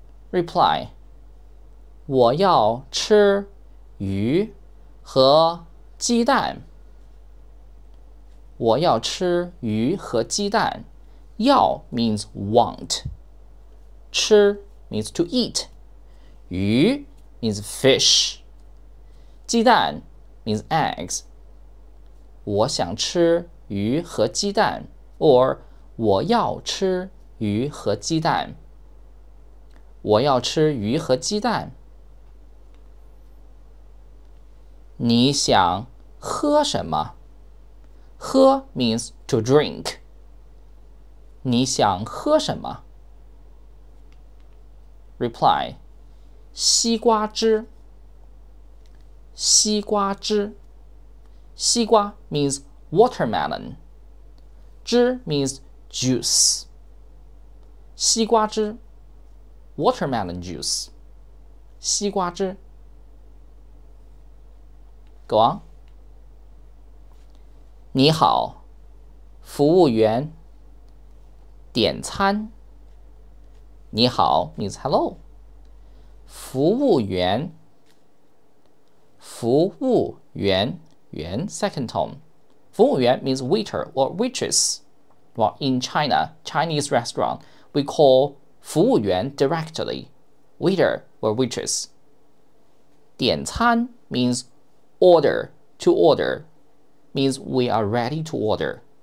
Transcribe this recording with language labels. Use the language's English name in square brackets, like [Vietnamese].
[Chinese] Reply. 我要吃鱼和鸡蛋。我要吃鱼和鸡蛋。要 [English] means want. 吃 means to eat. 鱼 means fish. 鸡蛋 means eggs. [Chinese] 我想吃鱼和鸡蛋 or 我要吃鱼和鸡蛋。我要吃鱼和鸡蛋。你想喝什么?喝 [English] means to drink. [Chinese] 你想喝什么? Reply. 西瓜汁。西瓜汁。 [English] 西瓜 means watermelon. 汁 means juice. 西瓜汁。 Watermelon juice. [Chinese] 西瓜汁。 [English] Go on. [Chinese] 你好服务员点餐。 [English] 你好 means hello. [Chinese] 服务员，服务员，员 [English] second tone. 服务员 means waiter or waitress. Well, in China, Chinese restaurant, we call 服务员 directly, waiter or waitress. 点餐 means order, to order, means we are ready to order.